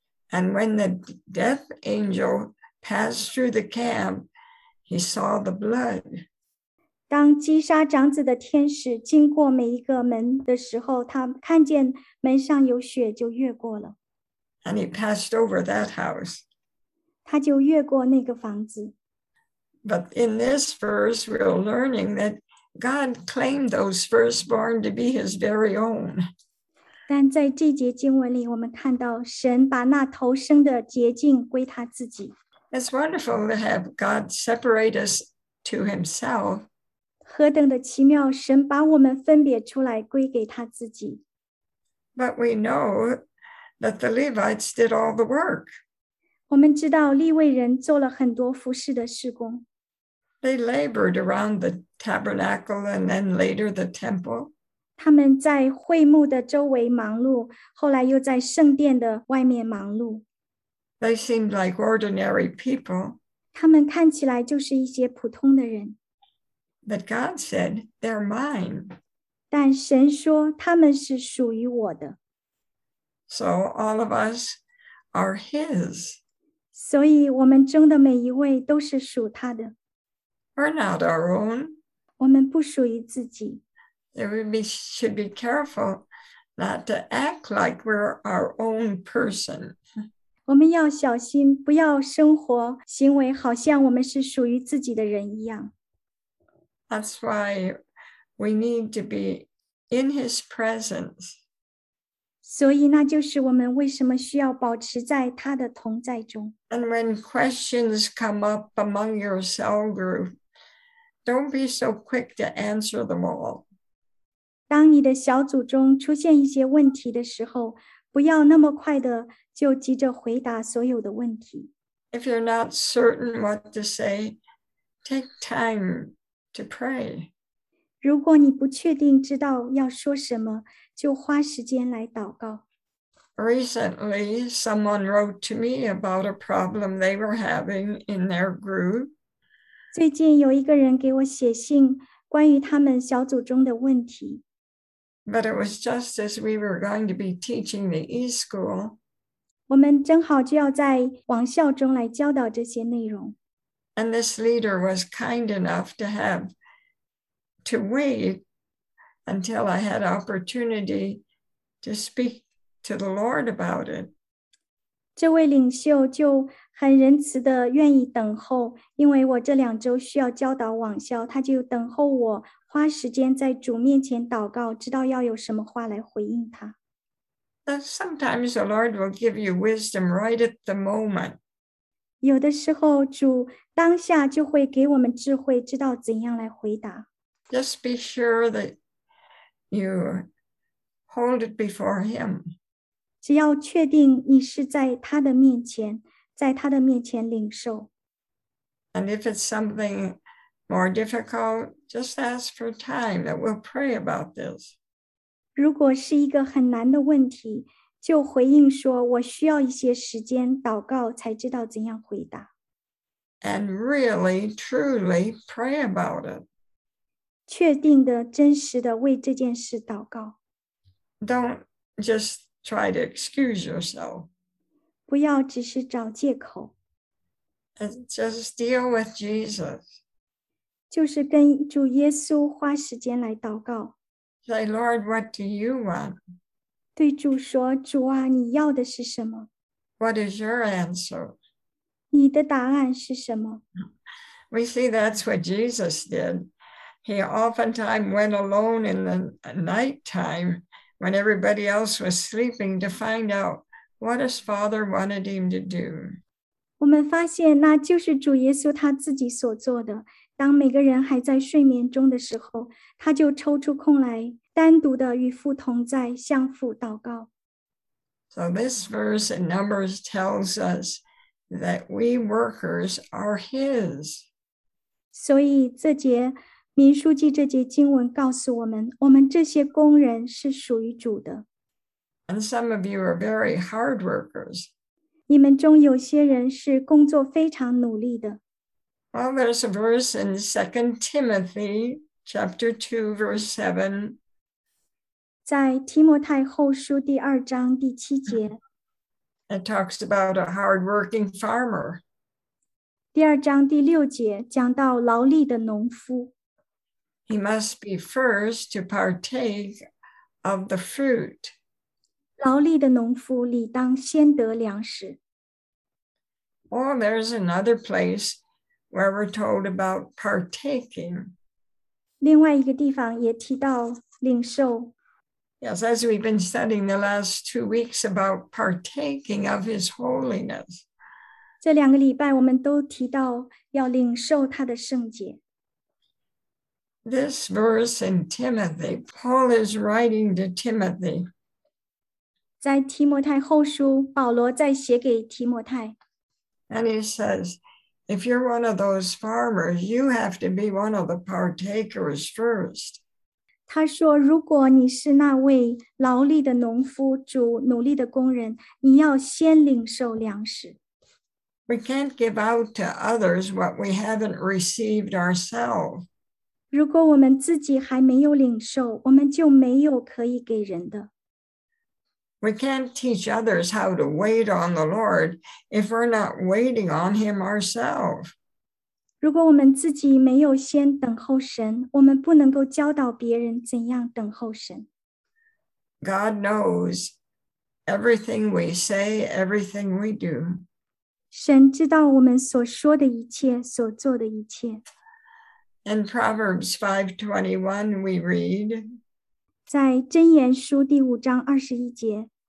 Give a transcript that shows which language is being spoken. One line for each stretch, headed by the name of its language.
English: And when the death angel passed through the camp, he saw the blood.
Chinese: 当击杀长子的天使经过每一个门的时候，他看见门上有血就越过了。
English: And he passed over that house.
Chinese: 他就越过那个房子。
English: But in this verse, we're learning that God claimed those firstborn to be his very own.
Chinese: 但在这节经文里，我们看到神把那头生的洁净归他自己。
English: It's wonderful to have God separate us to himself.
Chinese: 何等的奇妙，神把我们分别出来归给他自己。
English: But we know that the Levites did all the work.
Chinese: 我们知道利未人做了很多服事的事工。
English: They labored around the tabernacle and then later the temple.
Chinese: 他们在会幕的周围忙碌，后来又在圣殿的外面忙碌。
English: They seemed like ordinary people.
Chinese: 他们看起来就是一些普通的人。
English: But God said, they're mine.
Chinese: 但神说他们是属于我的。
English: So all of us are his.
Chinese: 所以我们中的每一位都是属他的。
English: We're not our own.
Chinese: 我们不属于自己。
English: We should be careful not to act like we're our own person.
Chinese: 我们要小心，不要生活行为好像我们是属于自己的人一样。
English: That's why we need to be in his presence.
Chinese: 所以那就是我们为什么需要保持在他的同在中。
English: And when questions come up among your cell group, don't be so quick to answer them all.
Chinese: 当你的小组中出现一些问题的时候，不要那么快的就急着回答所有的问题。
English: If you're not certain what to say, take time. To pray.
Chinese: 如果你不确定知道要说什么，就花时间来祷告。
English: Recently, someone wrote to me about a problem they were having in their group.
Chinese: 最近有一个人给我写信，关于他们小组中的问题。
English: But it was just as we were going to be teaching the e-school.
Chinese: 我们正好就要在网校中来教导这些内容。
English: And this leader was kind enough to have to wait until I had opportunity to speak to the Lord about it.
Chinese: 这位领袖就很仁慈地愿意等候，因为我这两周需要教导网校，他就等候我花时间在主面前祷告，知道要有什么话来回应他。
English: Sometimes the Lord will give you wisdom right at the moment.
Chinese: 有的时候主当下就会给我们智慧，知道怎样来回答。
English: Just be sure that you hold it before him.
Chinese: 只要确定你是在他的面前，在他的面前领受。
English: And if it's something more difficult, just ask for time that we'll pray about this.
Chinese: 如果是一个很难的问题，就回应说我需要一些时间祷告才知道怎样回答。
English: And really, truly pray about it.
Chinese: 确定的，真实的为这件事祷告。
English: Don't just try to excuse yourself.
Chinese: 不要只是找借口。
English: Just deal with Jesus.
Chinese: 就是跟主耶稣花时间来祷告。
English: Say, Lord, what do you want?
Chinese: 对主说，主啊，你要的是什么？
English: What is your answer?
Chinese: 你的答案是什么？
English: We see that's what Jesus did. He oftentimes went alone in the night time when everybody else was sleeping to find out what his father wanted him to do.
Chinese: 我们发现那就是主耶稣他自己所做的。当每个人还在睡眠中的时候，他就抽出空来，单独的与父同在，向父祷告。
English: So this verse in Numbers tells us that we workers are His.
Chinese: 所以这节民数记这节经文告诉我们，我们这些工人是属于主的。
English: And some of you are very hard workers.
Chinese: 你们中有些人是工作非常努力的。
English: Well, there's a verse in 2 Timothy chapter 2, verse 7.
Chinese: 在提摩太后书第二章第七节。
English: It talks about a hard-working farmer.
Chinese: 第二章第六节讲到劳力的农夫。
English: He must be first to partake of the fruit.
Chinese: 劳力的农夫理当先得粮食。
English: Well, there's another place where we're told about partaking.
Chinese: 另外一个地方也提到领受。
English: Yes, as we've been studying the last 2 weeks about partaking of His holiness.
Chinese: 这两个礼拜我们都提到要领受他的圣洁。
English: This verse in Timothy, Paul is writing to Timothy.
Chinese: 在提摩太后书，保罗在写给提摩太。
English: And he says, if you're one of those farmers, you have to be one of the partakers first.
Chinese: 他说，如果你是那位劳力的农夫，主努力的工人，你要先领受粮食。
English: We can't give out to others what we haven't received ourselves.
Chinese: 如果我们自己还没有领受，我们就没有可以给人的。
English: We can't teach others how to wait on the Lord if we're not waiting on Him ourselves.
Chinese: 如果我们自己没有先等候神，我们不能够教导别人怎样等候神。
English: God knows everything we say, everything we do.
Chinese: 神知道我们所说的一切，所做的一切。
English: In Proverbs 5:21, we read,
Chinese: 在箴言书第五章二十一节，